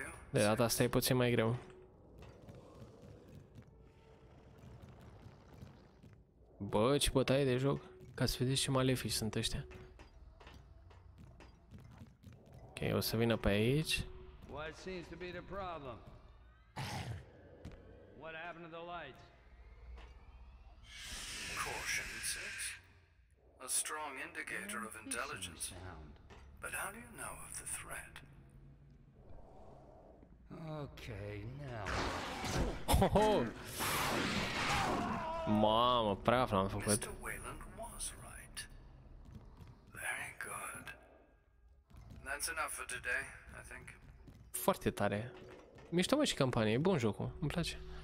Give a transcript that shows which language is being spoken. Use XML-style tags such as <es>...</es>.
<ro>De data asta e puțin mai greu. Bă, ce bătaie de joc. Ca să vedeți ce malefici sunt ăștia. Ok, o să vină pe aici.</ro> <en>What seems to be the problem? What happened to the lights? Caution, insects. A strong indicator of intelligence. But how do you know of the threat? Okay, now.</en> <ro>Mamă, praf l-am făcut.</ro> <en>Mr. Wayland was right. Very good. That's enough for today, I think.</en> <ro>Foarte tare. Mișto, mă, și campanie, e bun jocul, îmi place.</ro>